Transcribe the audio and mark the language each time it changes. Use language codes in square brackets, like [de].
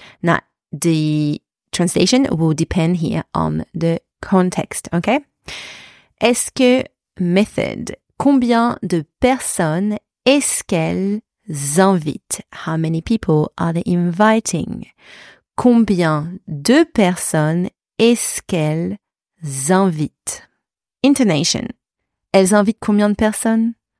[en] Now, the translation will depend here on the context, okay? [fr] Est-ce que method? Combien de personnes est-ce qu'elles invitent? [en] How many people are they inviting? [fr] Combien de personnes est-ce qu'elles invitent? Intonation. Elles invitent combien de personnes?